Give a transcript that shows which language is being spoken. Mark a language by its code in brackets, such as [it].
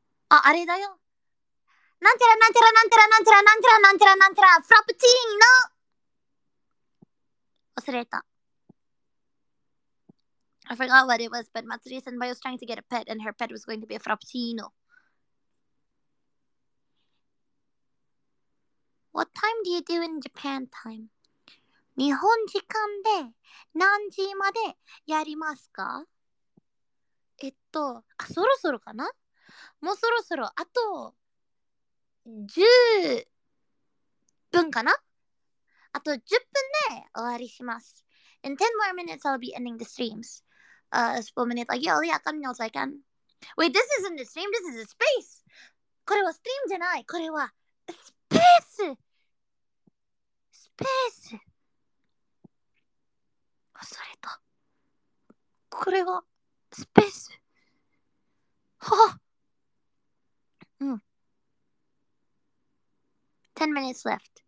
[ja] あ、あれだよ。なんちゃらなんちゃらなんちゃらなんちゃらなんちゃらなんちゃらなんちゃら Frappuccino! 忘れた。 [en] I forgot what it was, but Matsuri Senpai was trying to get a pet and her pet was going to be a Frappuccino. What time do you do in Japan time? [ja] 日本時間で何時までやりますか? あ、そろそろかな? もうそろそろ、あと、10分かな? あと10分で終わりします。 [en] In 10 more minutes, I'll be ending the streams. 10 minutes, like, yo, yeah, come in all I can. Wait, this isn't a stream, this is a space! [ja] これはストリームじゃない、これはスペース! スペース!忘れた。これはスペース。は [en] っ。10 minutes left.